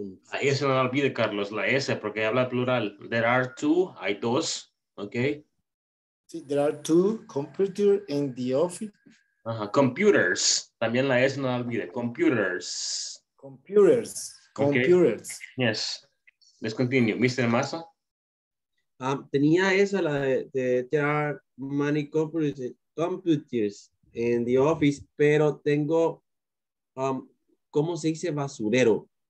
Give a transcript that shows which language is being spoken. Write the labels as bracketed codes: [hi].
[es] Ahí se me olvide, Carlos, la S, porque habla plural. [en] There are two, [es] hay dos, [en] okay. Sí, there are two computers in the office. [es] Computers, también la S no la olvide, computers. [en] Computers. Okay. Yes, let's continue. Mr. Massa. [es] Tenía esa, la de [en] there are many computers in the office, [es] pero tengo, ¿cómo se dice basurero?